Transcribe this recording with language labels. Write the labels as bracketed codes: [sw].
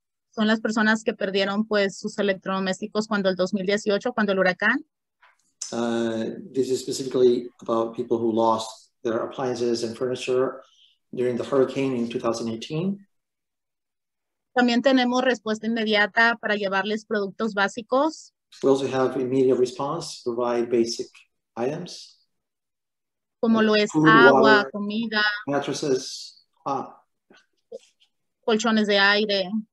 [es] Son las personas que perdieron pues sus electrodomésticos cuando el 2018, cuando el huracán. [en] This is specifically about people who lost their appliances and furniture during the hurricane in 2018. [es] También tenemos respuesta inmediata para llevarles productos básicos. [en] We also have immediate response to provide basic items, [es] como lo es food, agua, water, comida, [en] mattresses, [es] colchones de aire,